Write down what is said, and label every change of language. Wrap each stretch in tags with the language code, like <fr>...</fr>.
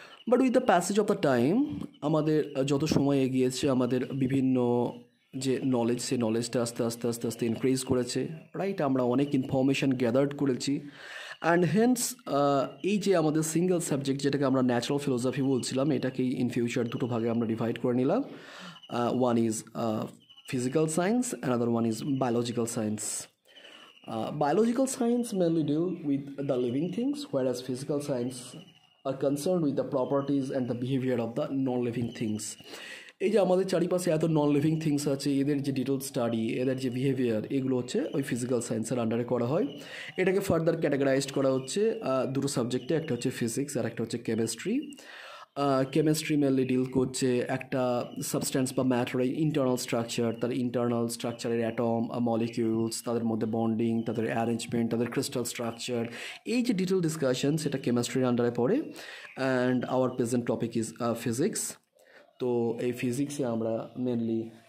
<en>but with the passage of the time</en> <bn>আমাদের যত সময় এগিয়েছে আমাদের বিভিন্ন যে নলেজ সে নলেজটা আস্তে আস্তে আস্তে আস্তে ইনক্রিজ করেছে রাইট আমরা অনেক ইনফরমেশান গ্যাদার্ড করেছি অ্যান্ড হেন্স এই যে আমাদের সিঙ্গেল সাবজেক্ট যেটাকে আমরা ন্যাচারাল ফিলোসফি বলছিলাম এটাকেই ইন ফিউচার দুটো ভাগে আমরা ডিভাইড করে নিলাম</bn> <en>One is physical science, another one is biological science. Biological science mainly deal with the living things, whereas physical science are concerned with the properties and the behavior of the non-living things.</en> <bn>এই যে আমাদের চারিপাশে এত non living things আছে এদের যে detail study এদের যে বিহেভিয়ার এগুলো হচ্ছে ওই ফিজিক্যাল সায়েন্সের আন্ডারে করা হয় এটাকে ফার্দার ক্যাটাগরাইজড করা হচ্ছে দুটো সাবজেক্টে একটা হচ্ছে ফিজিক্স আর একটা হচ্ছে কেমিস্ট্রি কেমিস্ট্রি মেনলি ডিল করছে একটা সাবস্ট্যান্স বা ম্যাটারের ইন্টারনাল স্ট্রাকচার তার ইন্টারনাল স্ট্রাকচারের অ্যাটম মলিকিউলস তাদের মধ্যে বন্ডিং তাদের অ্যারেঞ্জমেন্ট তাদের ক্রিস্টাল স্ট্রাকচার এই যে ডিটেল ডিসকাশন সেটা কেমিস্ট্রির আন্ডারে পড়ে</bn> <en>and our present topic is physics</en> <bn>তো এই ফিজিক্সে আমরা মেনলি</bn>